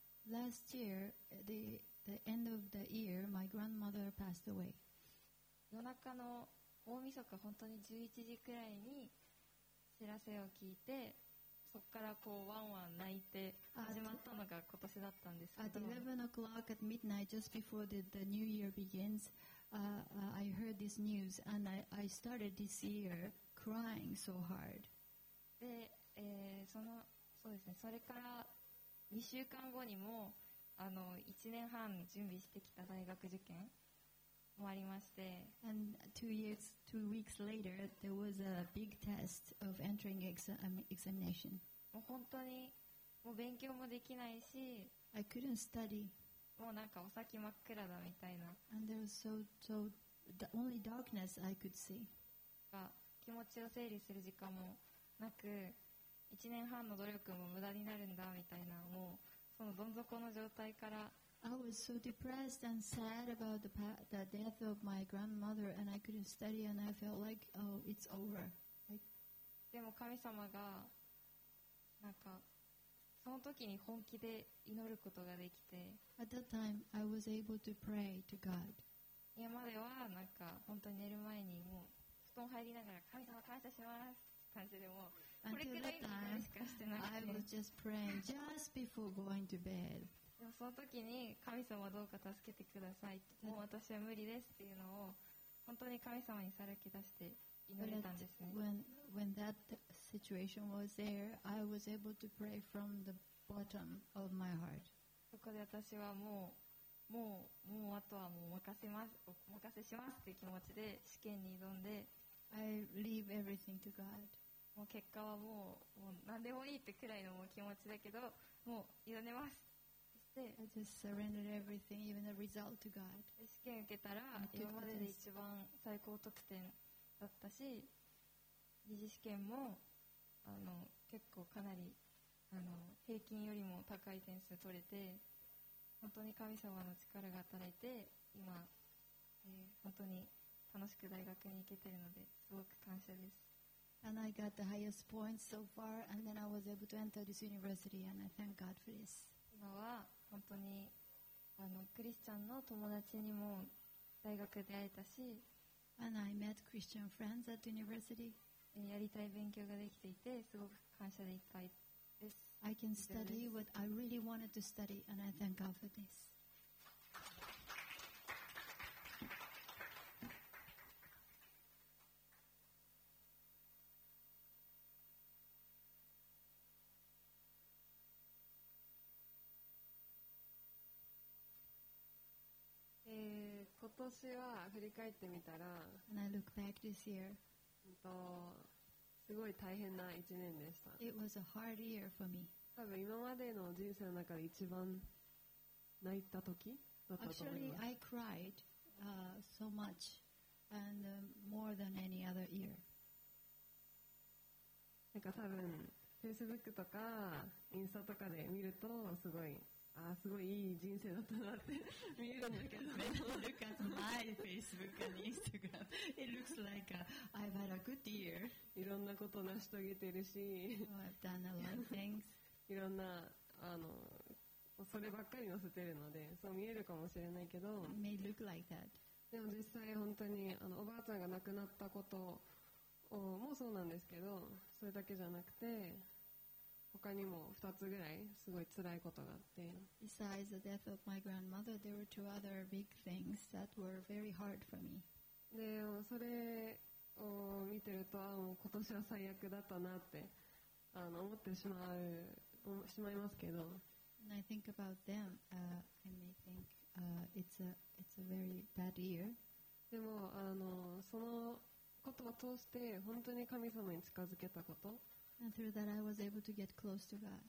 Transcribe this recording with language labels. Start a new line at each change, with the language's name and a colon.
English: last year the end of the year my grandmother passed away.
Japanese: 夜中の大晦日本当に11時くらいに知らせを聞いて、そこからこうワンワン泣いて始まったのが今年だったんですけど、
English: At 11 o'clock at midnight just before the new year begins I heard this news and I started this year crying so hard.
Japanese: で、そうですね、それから2週間後にも1年半準備してきた大学受験終わりまして、
English: And two weeks later there was a big test of entering examination.
Japanese: もう本当にもう勉強もできないし、
English: I couldn't study.
Japanese: もうなんかお先真っ暗だみたいな、
English: And there was so the only darkness I could see.
Japanese: 気持ちを整理する時間もなく、1年半の努力も無駄になるんだみたいな、もうそのどん底の状態から、
English: I was so depressed and sad about the death of my grandmother and I couldn't study and I felt like, oh, it's over.
Japanese: でも神様がなんかその時に本気で祈ることができて、
English: At that time, I was able to pray to God.
Japanese: 今まではなんか本当に寝る前にもう布団入りながら神様感謝しますって感じで、もうこれくらいにしかしてなくて、
English: I was just praying just before going to bed.
Japanese: でもその時に神様どうか助けてください、もう私は無理ですっていうのを本当に神様にさらけ出して祈れたんですね。
English: When that situation was there I was able to pray from the bottom of my heart.
Japanese: そこで私はもうもうあとはもうお任せしますという気持ちで試験に挑んで、
English: I leave everything to God.
Japanese: もう結果はもう何でもいいってくらいの気持ちだけど、もう委ねます。そして、
English: I just surrendered everything, even the result to God.
Japanese: 試験受けたら、今までで一番最高得点だったし、二次試験も結構かなり平均よりも高い点数取れて、本当に神様の力が働いて今、本当に楽しく大学に行けているのですごく感謝です。
English: And I got the highest points so far and then I was able to enter this university and I thank God for this.
Japanese: 今は本当にクリスチャンの友達にも大学で会えたし、
English: And I met Christian friends at university.
Japanese: やりたい勉強ができていてすごく感謝でいっぱいです。
English: I can study what I really wanted to study and I thank God for this. And I look back this year.
Japanese: すごい大変な一年でした。
English: It was a hard year for me.
Japanese: 多分今までの人生の中で一番泣いた時だったと思います。
English: Actually, I cried, so much and, more than any other year.
Japanese: なんか多分 Facebook とかインスタとかで見るとすごい、ああすごいいい人生だったなって見えるんだけど、
English: When I look at my Facebook and Instagram, it looks like a, I've had a good year.
Japanese: いろんなこと成し遂げてるし、
English: oh, I've done a lot of things.
Japanese: いろんなそればっかり載せてるので、そう見えるかもしれないけど、
English: it may look like that.
Japanese: でも実際本当におばあちゃんが亡くなったこともそうなんですけど、それだけじゃなくて。他にも2つぐらいすごい辛いことがあって。
English: Besides the death of my grandmother, there were two other big things that were very hard for me.
Japanese: で、それを見てると、あ、もう今年は最悪だったなって思ってしまいますけど。
English: And I think about them, and they think, it's a very bad year.
Japanese: でもそのことを通して本当に神様に近づけたこと。
English: And through that, I was able to get close to God.